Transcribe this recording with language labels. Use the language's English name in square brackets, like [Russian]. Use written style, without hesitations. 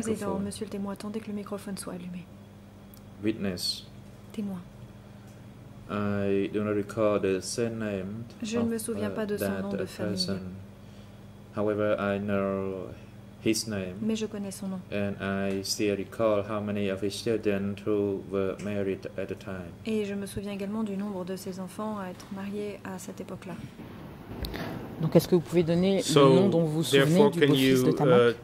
[French] Président, monsieur le témoin, attendez que le microphone soit allumé. [English] Witness. [French] Témoin. [English] I do not recall the same name. [French] Je ne me souviens pas de son nom de famille. [English] However, I know his name. [French] Mais je connais son nom. [English] And I still recall how many of his children who were married at the time. [French] Et je me souviens également du nombre de ses enfants à être mariés à cette époque-là. Donc est-ce que vous pouvez donner le nom dont vous vous souvenez du beau-fils de Tamok?